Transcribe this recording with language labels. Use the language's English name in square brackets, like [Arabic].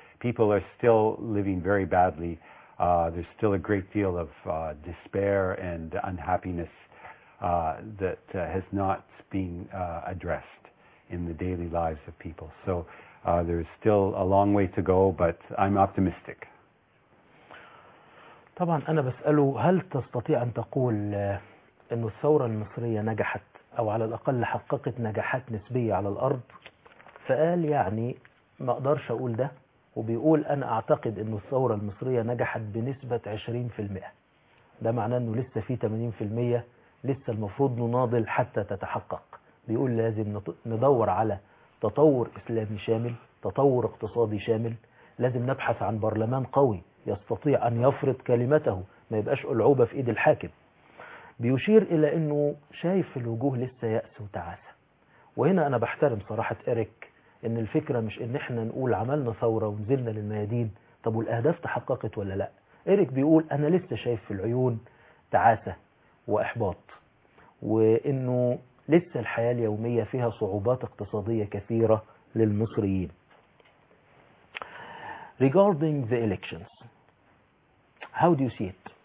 [English] People are still living very badly. There's still a great deal of despair and unhappiness that has not been addressed in the daily lives of people. So there's still a long way to go, but I'm optimistic. [Arabic] طبعا أنا بسأله هل تستطيع أن تقول إنه الثورة المصرية نجحت؟ أو على الأقل حققت نجاحات نسبية على الأرض؟ فقال يعني ما أقدرش أقول ده، وبيقول أنا أعتقد أن الثورة المصرية نجحت بنسبة 20%، ده معناه أنه لسه في 80% لسه المفروض نناضل حتى تتحقق. بيقول لازم ندور على تطور إسلامي شامل، تطور اقتصادي شامل، لازم نبحث عن برلمان قوي يستطيع أن يفرض كلمته، ما يبقاش ألعوبة في إيد الحاكم. بيشير إلى أنه شايف الوجوه لسه يأس وتعاسة. وهنا أنا بحترم صراحة إريك، أن الفكرة مش أن احنا نقول عملنا ثورة ونزلنا للميادين طب والأهداف تحققت ولا لا. إريك بيقول أنا لسه شايف في العيون تعاسة وإحباط، وأنه لسه الحياة اليومية فيها صعوبات اقتصادية كثيرة للمصريين. [English] Regarding the elections, how do you see it?